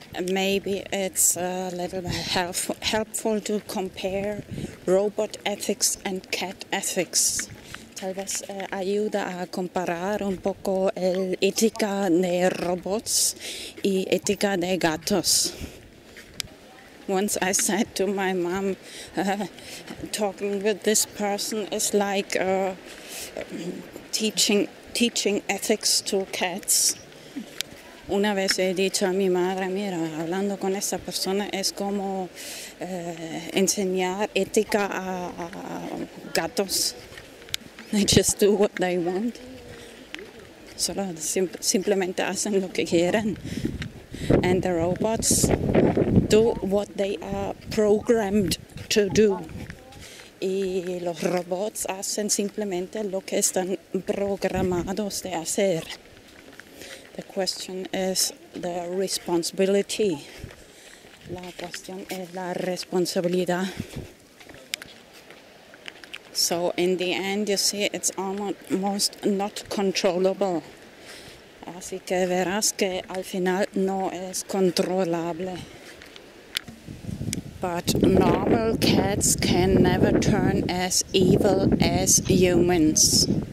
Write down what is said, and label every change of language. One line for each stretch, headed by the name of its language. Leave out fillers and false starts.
English: Maybe it's a little bit helpful to compare robot ethics and cat ethics.
Spanish: Tal vez ayuda a comparar un poco el ética de robots y ética de gatos.
English: Once I said to my mom, talking with this person is like teaching ethics to cats.
Spanish: Una vez he dicho a mi madre, mira, hablando con esta persona es como enseñar ética a gatos.
English: They just do what they want.
Spanish: Solo simplemente hacen lo que quieren.
English: And the robots do what they are programmed to do.
Spanish: Y los robots hacen simplemente lo que están programados de hacer.
English: The question is the responsibility.
Spanish: La cuestión es la responsabilidad.
English: So in the end, you see, it's almost not controllable.
Spanish: Así que verás que al final no es controlable.
English: But normal cats can never turn as evil as humans.